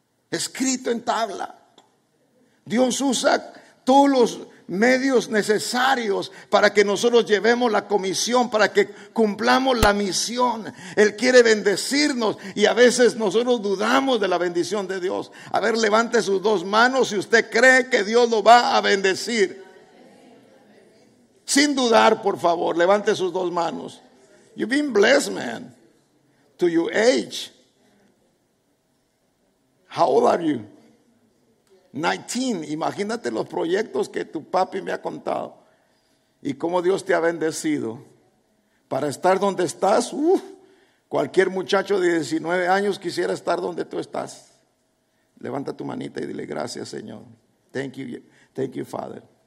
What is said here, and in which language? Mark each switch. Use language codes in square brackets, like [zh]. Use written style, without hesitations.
[es] Escrito en tabla. Dios usa todos los medios necesarios para que nosotros llevemos la comisión, para que cumplamos la misión. Él quiere bendecirnos y a veces nosotros dudamos de la bendición de Dios. A ver, levante sus dos manos si usted cree que Dios lo va a bendecir. Sin dudar, por favor, levante sus dos manos. [en] You've been blessed, man, to your age. How old are you? 19. [es] Imagínate los proyectos que tu papi me ha contado y cómo Dios te ha bendecido para estar donde estás. Uf, cualquier muchacho de 19 años quisiera estar donde tú estás. Levanta tu manita y dile gracias, Señor. [en] Thank you, Father.